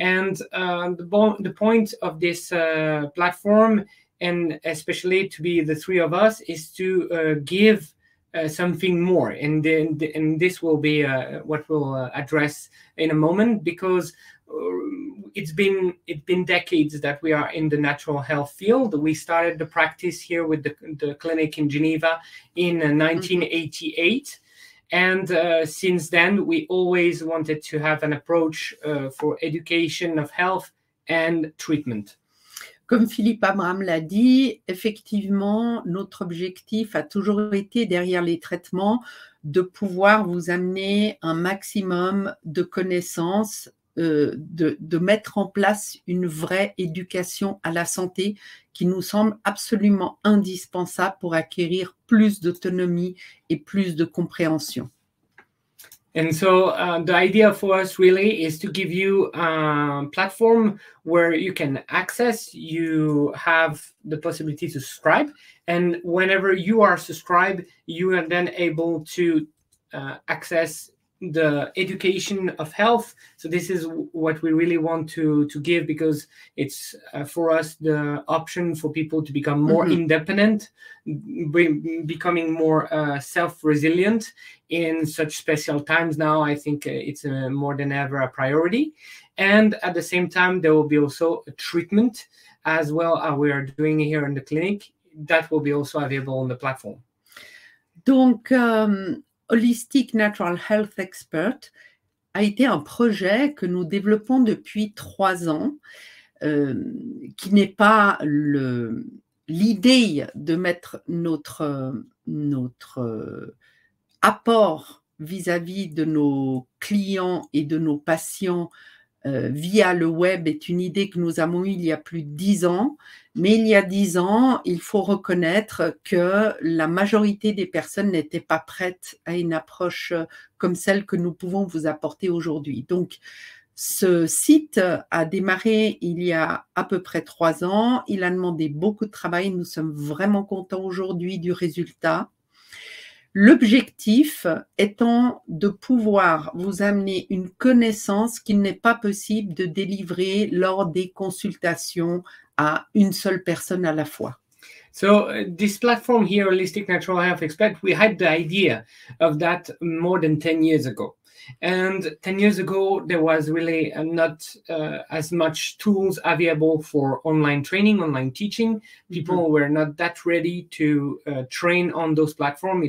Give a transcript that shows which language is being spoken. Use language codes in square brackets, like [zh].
[en] And the point of this platform, and especially to be the three of us, is to give something more, and this will be what we'll address in a moment, because it's been decades that we are in the natural health field. We started the practice here with the clinic in Geneva in 1988, mm-hmm. and since then we always wanted to have an approach for education of health and treatment. [fr] Comme Philippe Abraham l'a dit, effectivement, notre objectif a toujours été, derrière les traitements, de pouvoir vous amener un maximum de connaissances, de mettre en place une vraie éducation à la santé qui nous semble absolument indispensable pour acquérir plus d'autonomie et plus de compréhension. [en] And so the idea for us really is to give you a platform where you can access, you have the possibility to subscribe. And whenever you are subscribed, you are then able to access the education of health. So this is what we really want to give, because it's for us the option for people to become more mm-hmm. independent, becoming more self-resilient in such special times now. I think it's more than ever a priority. And at the same time, there will be also a treatment as well as we are doing here in the clinic that will be also available on the platform. [fr] Donc, Holistic Natural Health Expert a été un projet que nous développons depuis 3 ans, qui n'est pas l'idée de mettre notre apport vis-à-vis de nos clients et de nos patients via le web est une idée que nous avons eue il y a plus de 10 ans. Mais il y a 10 ans, il faut reconnaître que la majorité des personnes n'étaient pas prêtes à une approche comme celle que nous pouvons vous apporter aujourd'hui. Donc, ce site a démarré il y a à peu près 3 ans. Il a demandé beaucoup de travail. Nous sommes vraiment contents aujourd'hui du résultat. L'objectif étant de pouvoir vous amener une connaissance qu'il n'est pas possible de délivrer lors des consultations à une seule personne à la fois. [en] So this platform here, Holistic Natural Health Expert, we had the idea of that more than 10 years ago. And 10 years ago, there was really not as much tools available for online training, online teaching. People mm-hmm. were not that ready to train on those platforms.